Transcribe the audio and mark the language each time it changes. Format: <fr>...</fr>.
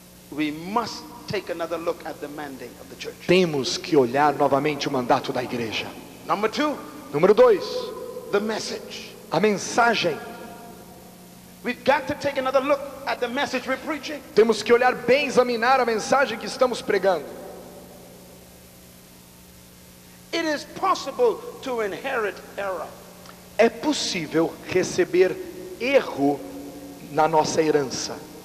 <en>We must take another look at the mandate of the church.</en> <pt>Temos que olhar novamente o mandato da igreja.</pt> <en>Number two,</en> <pt>número dois,</pt> <en>the message.</en> <pt>A mensagem.</pt> <en>We've got to take another look at the message we're preaching.</en> <pt>Temos que olhar bem, examinar a mensagem que estamos pregando.</pt> <en>It is possible to inherit error.</en> <pt>É possível receber erro na nossa herança.</pt>